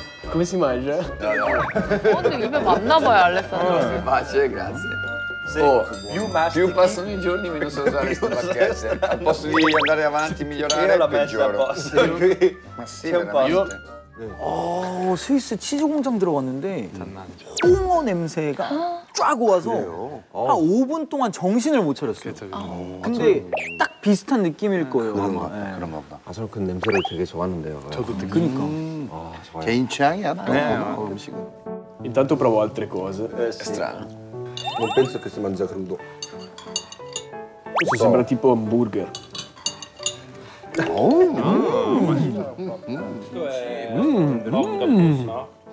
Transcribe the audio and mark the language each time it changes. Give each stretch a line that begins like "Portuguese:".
Italian: Come si mangia? No. Oddio, che bello, Alessandro. Facile, grazie. Sì, oh, più mastichi, più passano i giorni, meno so usare questa bacchetta. Al posto di andare avanti, migliorare, io la peggioro. Ma sì, c'è un po'.
Korean: 스위스 치즈 공장 들어갔는데 홍어 냄새가 쫙 와서 한 5분 동안 정신을 못 차렸어요. 근데 딱 비슷한 느낌일 거예요. 그런 것 같다. 그런 것 같다. 아, 저는 그 냄새를 되게 좋아하는데요. 저도 그니까. 개인 취향이야. 네. 음식은.
Italian: Intanto provo altre cose. È strano. Non penso che si mangia crudo. Questo sembra tipo hamburger. Questo è un